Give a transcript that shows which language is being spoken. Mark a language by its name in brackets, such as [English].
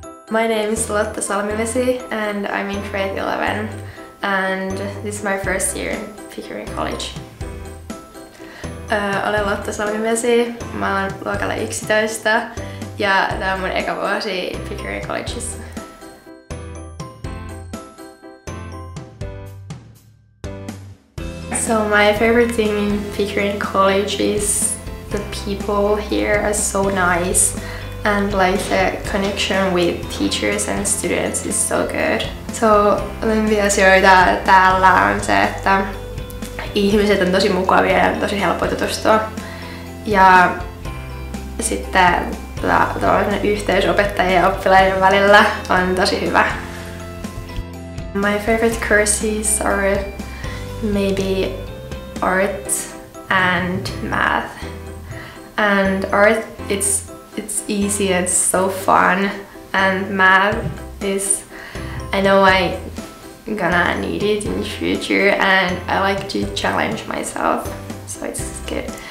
[English] My name is Lotta Salmivesi and I'm in grade 11 and this is my first year in Pickering College. [Finnish] Olen Lotta Salmivesi, mä olen luokalla 11 ja tää on mun eka vuosi Pickering Collegeissa. [English] So my favorite thing in Pickering College is the people here are so nice and like the connection with teachers and students is so good. [Finnish] So olimpia asioita täällä on se, että ihmiset on tosi mukavia ja tosi helppo tutustua. Ja sitten tuollainen yhteys opettajien ja oppilaiden välillä on tosi hyvä. [English] My favorite courses are maybe art and math. And art, it's easy and so fun. And math is, I know I'm gonna need it in the future and I like to challenge myself, so it's good.